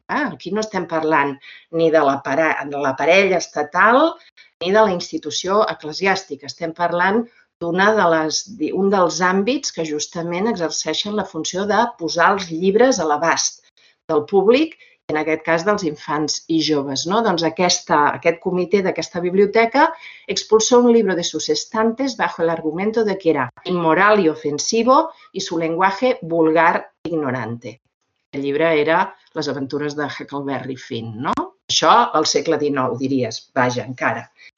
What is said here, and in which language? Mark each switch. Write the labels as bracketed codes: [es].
[ca] Aquí no estem parlant ni de l'aparell estatal ni de la institució eclesiàstica, estem parlant d'un dels àmbits que justament exerceixen la funció de posar els llibres a l'abast del públic, en aquest cas dels infants i joves, no? Doncs aquest comitè d'aquesta biblioteca [es] expulsó un libro de sus estantes bajo el argumento de que era inmoral y ofensivo y su lenguaje vulgar e ignorante. [ca] El llibre era Les aventures de Huckleberry Finn, no? Això al segle XIX, diries, vaja, encara.